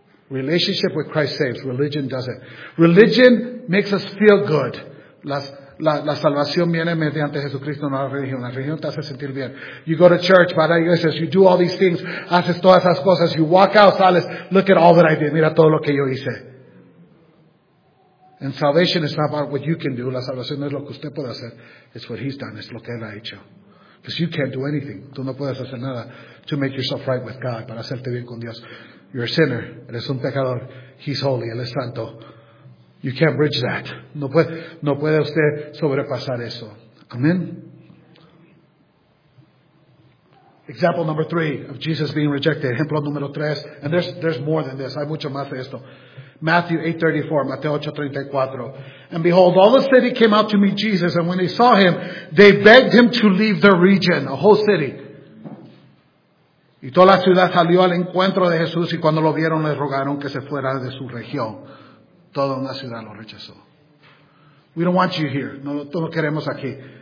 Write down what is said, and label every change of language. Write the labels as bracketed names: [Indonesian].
[English] Relationship with Christ saves. Religion doesn't. Religion makes us feel good. [Spanish] La salvación viene mediante Jesucristo, no la religión. La religión te hace sentir bien. [English] You go to church, [Spanish] va a la iglesia, [English] you do all these things, [Spanish] haces todas esas cosas, [English] you walk out, [Spanish] sales, [English] look at all that I did, [Spanish] mira todo lo que yo hice. [English] And salvation is not about what you can do. [Spanish] La salvación no es lo que usted puede hacer. [English] It's what he's done. [Spanish] Es lo que él ha hecho. [English] Because you can't do anything. [Spanish] Tú no puedes hacer nada [English] to make yourself right with God, [Spanish] para hacerte bien con Dios. [English] You're a sinner. [Spanish] Eres un pecador. [English] He's holy. [Spanish] Él es santo. [English] You can't bridge that. [Spanish] No puede usted sobrepasar eso. Amen. [English] Example number 3 of Jesus being rejected. [Spanish] Ejemplo número 3. [English] And there's more than this. [Spanish] Hay mucho más de esto. [English] Mateo 8:34. And behold, all the city came out to meet Jesus, and when they saw him, they begged him to leave their region. A whole city. [Spanish] Y toda la ciudad salió al encuentro de Jesús, y cuando lo vieron, le rogaron que se fuera de su región. Toda una ciudad lo rechazó. [English] We don't want you here. [Spanish] No, todo lo queremos aquí.